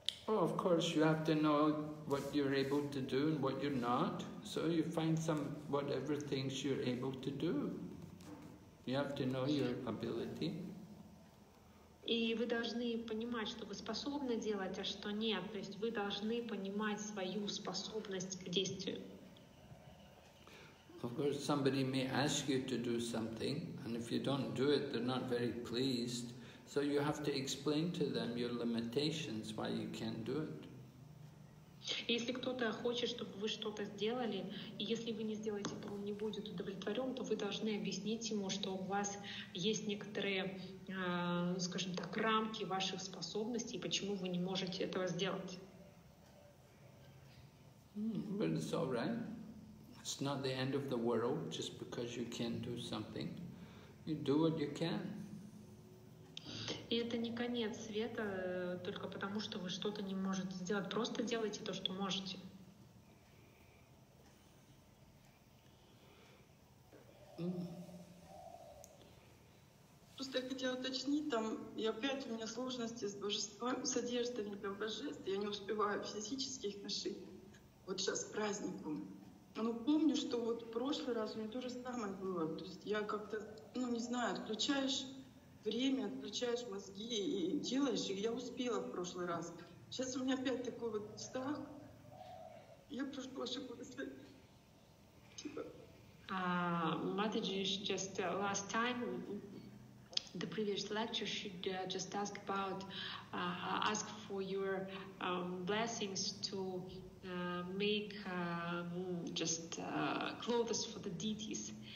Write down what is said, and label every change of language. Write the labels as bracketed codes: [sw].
[en] Oh, of course, you have to know what you're able to do and what you're not. So you find some whatever things you're able to do. You have to know your ability. [ru] И вы должны понимать, что вы способны делать, а что нет. То есть вы должны понимать свою способность к действию. [en] Of course, somebody may ask you to do something, and if you don't do it, they're not very pleased. So you have to explain to them your limitations, why you can't do it. [ru] Если кто-то хочет, чтобы вы что-то сделали, и если вы не сделаете, то он не будет удовлетворен, то вы должны объяснить ему, что у вас есть некоторые, скажем так, рамки ваших способностей, почему вы не можете этого сделать. [en] But it's all right. It's not the end of the world just because you can't do something. You do what you can. [ru] И это не конец света, только потому, что вы что-то не можете сделать. Просто делайте то, что можете. Просто я хотела уточнить, там, и опять у меня сложности с божеством, с одеждами для божеств, я не успеваю физически их нашить. Вот сейчас праздником. Ну, помню, что вот в прошлый раз у меня то же самое было. То есть я как-то, ну, не знаю, отключаешь... время, отключаешь мозги и делаешь, и я успела в прошлый раз. Сейчас у меня опять такой вот страх. Я прошу ваши мысли. [en] Матаджи, just last time, the previous lecture, should just ask about, ask for your blessings to make just clothes for the deities.